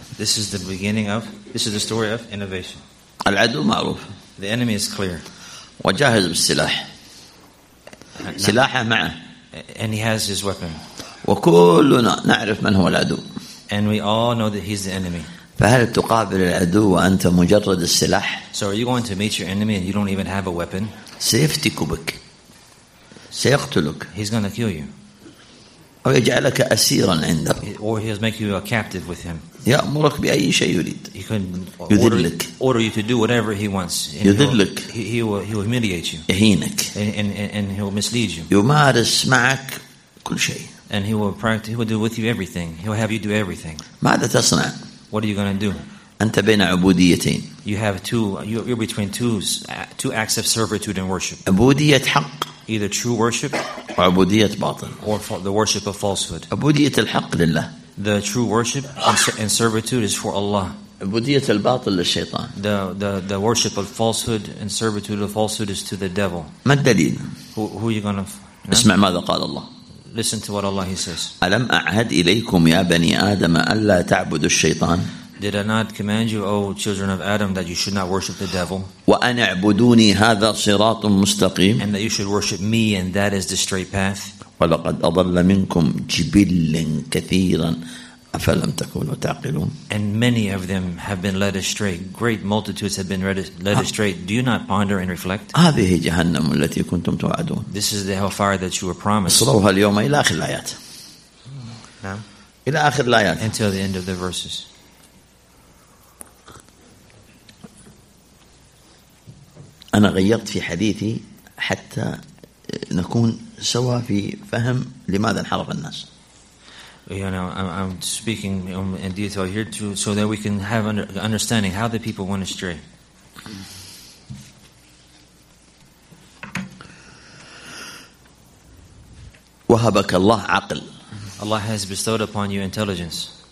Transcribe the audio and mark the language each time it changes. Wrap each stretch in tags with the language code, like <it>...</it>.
<en>This is the beginning of, this is the story of innovation.</en> <ar>العدو معروف.</ar> <en>The enemy is clear.</en> <ar>وجاهز بالسلاح. سلاحه معه.</ar> <en>And he has his weapon.</en> <ar>وكلنا نعرف من هو العدو.</ar> <en>And we all know that he's the enemy.</en> <ar>فهل تقابل العدو وأنت مجرد السلاح؟</ar> <en>So are you going to meet your enemy and you don't even have a weapon?</en> <ar>سيفتك بك. سيقتلك.</ar> <en>He's going to kill you.</en> <ar>أو يجعلك أسيرا عنده.</ar> <en>Or he'll make you a captive with him.</en> <ar>يأمرك بأي شيء يريد.</ar> <en>He can</en> <ar>يذلك.</ar> <en>Order you to do whatever he wants.</en> <ar>يذلك.</ar> <en>He will humiliate you.</en> <ar>يهينك.</ar> <en>And he'll mislead you.</en> <ar>يمارس معك كل شيء.</ar> <en>And he will do with you everything. He'll have you do everything.</en> <ar>ماذا تصنع؟</ar> <en>What are you going to do?</en> <ar>أنت بين عبوديتين.</ar> <en>You have two. You're between two acts of servitude and worship.</en> <ar>عبودية حق.</ar> <en>Either true worship.</en> <ar>وعبودية باطل.</ar> <en>Or the worship of falsehood.</en> <ar>عبودية الحق لله.</ar> <en>The true worship and servitude is for Allah.</en> <ar>عبودية الباطل للشيطان.</ar> <en>The worship of falsehood and servitude of falsehood is to the devil.</en> <ar>ما الدليل؟</ar> <en>Who are you going to?</en> <ar>اسمع ماذا قال الله.</ar> <en>Listen to what Allah He says.</en> <ar>ألم أعهد إليكم يا بني آدم ألا تعبدوا الشيطان؟</ar> <en>Did I not command you, O children of Adam, that you should not worship the devil?</en> <ar>وأن اعبدوني هذا صراط مستقيم.</ar> <en>And that you should worship me, and that is the straight path.</en> <ar>ولقد أضل منكم جبلا كثيرا أفلم تكونوا تعقلون.</ar> <en>And many of them have been led astray. Great multitudes have been led astray. Do you not ponder and reflect?</en> <ar>هذه جهنم التي كنتم توعدون.</ar> <en>This is the hellfire that you were promised.</en> <ar>اصلوها اليوم إلى آخر الآيات. إلى آخر الآيات.</ar> <en>Until the end of the verses.</en> <ar>أنا غيرت في حديثي حتى نكون سواء في فهم لماذا انحرف الناس.</ar> <en>You know, I'm speaking in detail here too, so that we can have understanding how the people went astray.</en> <ar>وهبك الله عقل.</ar> <en>Allah has bestowed upon you intelligence.</en>